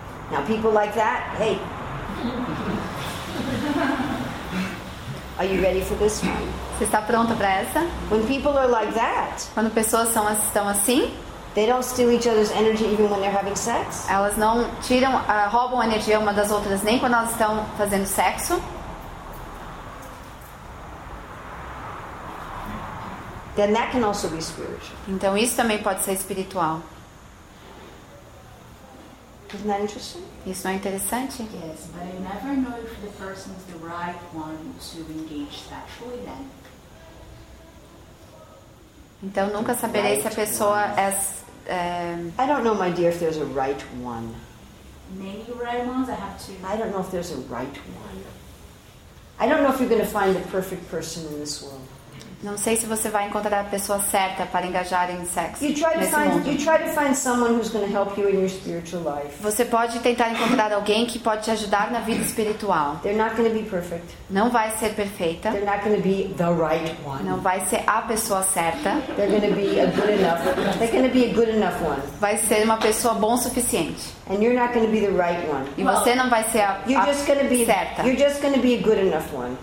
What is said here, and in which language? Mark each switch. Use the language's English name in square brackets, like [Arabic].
[English] Now people like that, hey. Are you ready for this one? [Portuguese] Você está pronta para essa? [English] When people are like that. [Portuguese] Quando pessoas estão assim, [English] they don't steal each other's energy even when they're having sex. [Portuguese] Elas não tiram, roubam energia uma das outras nem quando elas estão fazendo sexo. [English] Then that can also be spiritual. [Portuguese] Então isso também pode ser espiritual. [English] Isn't that interesting? [Portuguese] Isso não é interessante? [English] Yes, but I never know if the person is the right one to engage sexually then. [Portuguese] Então nunca saberei [English] right [Portuguese] se a pessoa [English] ones. [Portuguese] É. [English] I don't know, my dear, if there's a right one. Many right ones, I have to. I don't know if there's a right one. I don't know if you're going to find the perfect person in this world. [Portuguese] Não sei se você vai encontrar a pessoa certa para engajar em sexo. [English] You try to find someone who's going to help you in your spiritual life. [Portuguese] Você pode tentar encontrar alguém que pode te ajudar na vida espiritual. [English] They're not going to be perfect. [Portuguese] Não vai ser perfeita. [English] They're not going to be the right one. [Portuguese] Não vai ser a pessoa certa. [English] They're going to be a good enough. They're going to be a good enough one. [Portuguese] Vai ser uma pessoa bom o suficiente. [English] And you're not going to be the right one. [Portuguese] E você não vai ser a certa. [English] You're just going to be a good enough one.